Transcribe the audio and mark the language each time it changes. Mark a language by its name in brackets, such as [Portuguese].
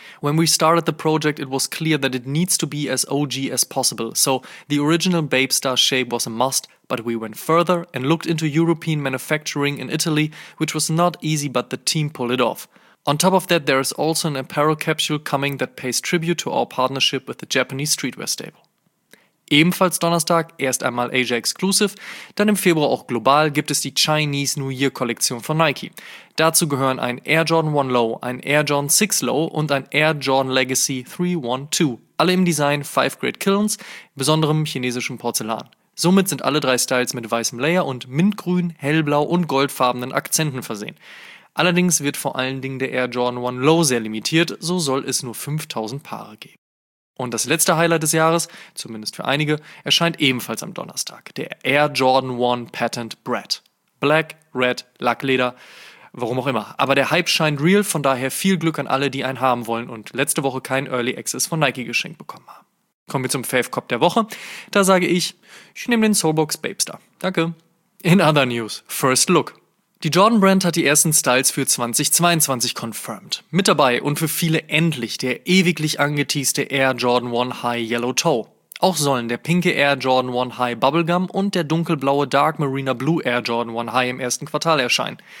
[English] When we started the project, it was clear that it needs to be as OG as possible, so the original Babe Star shape was a must, but we went further and looked into European manufacturing in Italy, which was not easy, but the team pulled it off. On top of that, there is also an apparel capsule coming that pays tribute to our partnership with the Japanese streetwear stable." [German] Ebenfalls Donnerstag, erst einmal Asia Exclusive, dann im Februar auch global, gibt es die Chinese New Year Kollektion von Nike. Dazu gehören ein Air Jordan 1 Low, ein Air Jordan 6 Low und ein Air Jordan Legacy 312, alle im Design 5 Great Kilns, besonderem chinesischem Porzellan. Somit sind alle drei Styles mit weißem Layer und mintgrün, hellblau und goldfarbenen Akzenten versehen. Allerdings wird vor allen Dingen der Air Jordan 1 Low sehr limitiert, so soll es nur 5000 Paare geben. Und das letzte Highlight des Jahres, zumindest für einige, erscheint ebenfalls am Donnerstag. Der Air Jordan 1 Patent Brett. Black, Red, Lackleder, warum auch immer. Aber der Hype scheint real, von daher viel Glück an alle, die einen haben wollen und letzte Woche keinen Early Access von Nike geschenkt bekommen haben. Kommen wir zum Fave Cop der Woche. Da sage ich, ich nehme den Soulbox Babestar. Danke. [English] In other news, first look. [German] Die Jordan Brand hat die ersten Styles für 2022 confirmed. Mit dabei und für viele endlich der ewiglich angeteaste Air Jordan 1 High Yellow Toe. Auch sollen der pinke Air Jordan 1 High Bubblegum und der dunkelblaue Dark Marina Blue Air Jordan 1 High im ersten Quartal erscheinen.